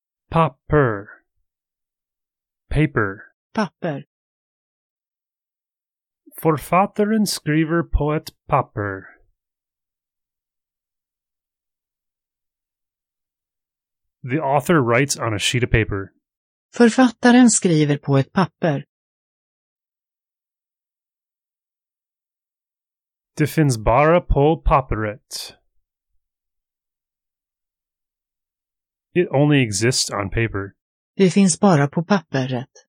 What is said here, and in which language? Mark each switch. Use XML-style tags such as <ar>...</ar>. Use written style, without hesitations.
<sv>Papper.</sv> <en>Paper.</en> <sv>Papper. Författaren skriver på ett papper.</sv> <en>The author writes on a sheet of paper.</en> <sv>Författaren skriver på ett papper. Det finns bara på papperet.</sv> <en>It only exists on paper.</en> <sv>Det finns bara på papperet.</sv>